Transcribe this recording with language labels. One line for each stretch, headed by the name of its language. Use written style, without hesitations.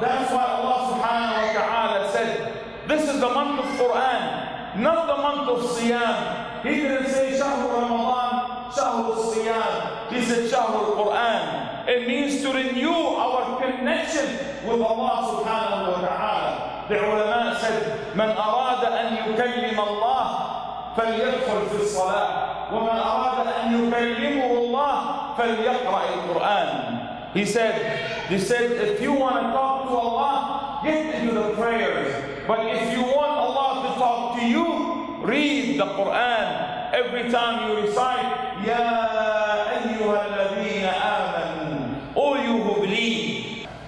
English: That's why Allah subhanahu wa ta'ala said, this is the month of Quran, not the month of Siyam. He didn't say Shahru Ramadan, Shahru Siyam. He said Shahru Quran. It means to renew our connection with Allah subhanahu wa ta'ala. The ulama said,
Arabic: من أراد أن يكلم الله فليدخل في الصلاة ومن أراد أن يكلمه الله فليقرأ القرآن.
English: He said, if you want to talk to Allah, get into the prayers. But if you want Allah to talk to you, read the Quran. Every time you recite, Ya ayyuha alladhina amanu, O you who believe.